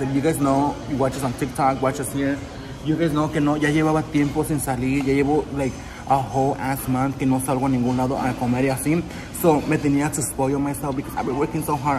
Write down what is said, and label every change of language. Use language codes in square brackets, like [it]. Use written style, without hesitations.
[en] And you guys know, you watch us on TikTok, watch us here. You guys know [es] que no, ya llevaba tiempo sin salir. Ya llevo, like, [en] a whole ass month [es] que no salgo a ningún lado a comer y así. [en] So, [es] me tenía [en] to spoil myself because I've been working so hard.